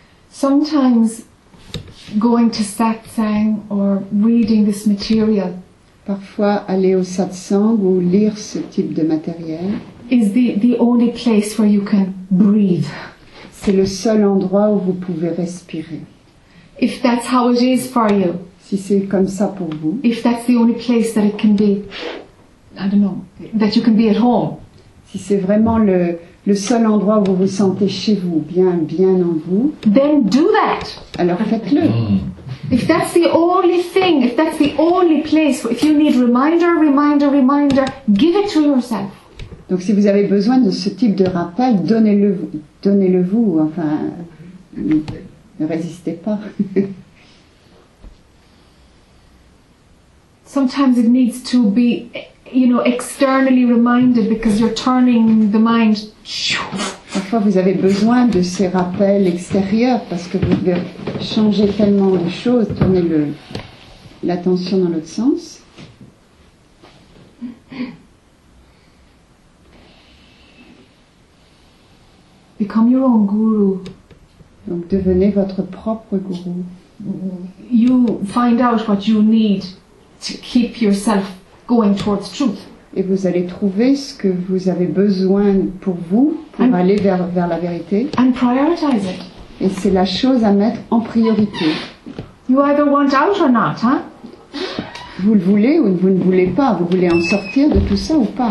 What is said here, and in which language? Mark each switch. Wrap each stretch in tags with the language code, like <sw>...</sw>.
<en>Sometimes going to satsang or reading this material,</en> <fr>parfois aller au satsang ou lire ce type de matériel,</fr> <en>is the only place where you can breathe.</en> <fr>C'est le seul endroit où vous pouvez respirer.</fr> <en>If that's how it is for you,</en> <fr>si c'est comme ça pour vous,</fr> <en>if that's the only place that it can be, I don't know, that you can be at home.</en> <fr>Si c'est vraiment le seul endroit où vous vous sentez chez vous, bien en vous.</fr> <en>Then do that.</en> <fr>Alors faites-le. Mm.</fr> <en>If that's the only thing, if that's the only place, if you need reminder, give it to yourself.</en> <fr>Donc si vous avez besoin de ce type de rappel, donnez-le vous. Enfin, ne résistez pas.</fr> <en>Sometimes it needs to be, you know, externally reminded because you're turning the mind.</en> <fr>Parfois vous avez besoin de ces rappels extérieurs parce que vous devez changer tellement de choses, tourner l'attention dans l'autre sens.</fr> <en>Become your own guru.</en> <fr>Donc devenez votre propre guru.</fr> <en>You find out what you need to keep yourself going towards truth.</en> <fr>Et vous allez trouver ce que vous avez besoin pour vous, pour aller vers la vérité.</fr> <en>And prioritize it.</en> <fr>Et c'est la chose à mettre en priorité.</fr> <en>You either want out or not, huh?</en> <fr>Vous le voulez ou vous ne voulez pas. Vous voulez en sortir de tout ça ou pas.</fr>